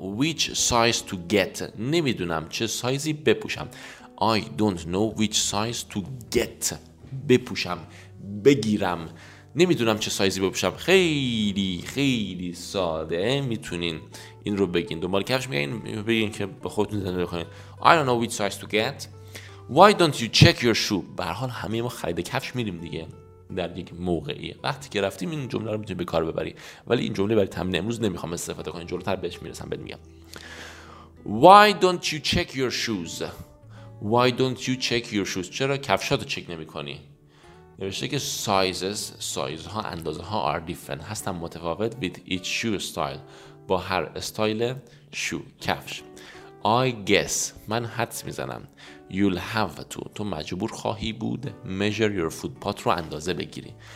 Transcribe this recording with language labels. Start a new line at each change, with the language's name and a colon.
English: I don't know which size to get.
Persian: نمیدونم چه سایزی بپوشم.
English: I don't know which size to get.
Persian: بپوشم، بگیرم. نمیدونم چه سایزی بپوشم. خیلی خیلی ساده میتونین این رو بگین. دنبال کفش میگین، بگین که به خودتون زنده بخونین.
English: I don't know which size to get. Why don't you check your shoe?
Persian: به هر حال همه ما خرید کفش میریم دیگه، در یک موقعی وقتی که رفتیم این جمله رو میتونی به کار ببری، ولی این جمله برای تمرین امروز نمیخوام استفاده کنین. جلوتر بهش میرسم بهت میگم.
English: Why don't you check your shoes? Why don't you check your shoes?
Persian: چرا کفشاتو چک نمیکنی؟ نوشته که سایزها اندازه ها
English: are different،
Persian: هستن متفاوت
English: with each shoe style،
Persian: با هر استایل شو کفش.
English: I guess
Persian: من حدس میزنم.
English: You'll have to،
Persian: تو مجبور خواهی بود
English: measure your foot،
Persian: پات رو اندازه بگیری.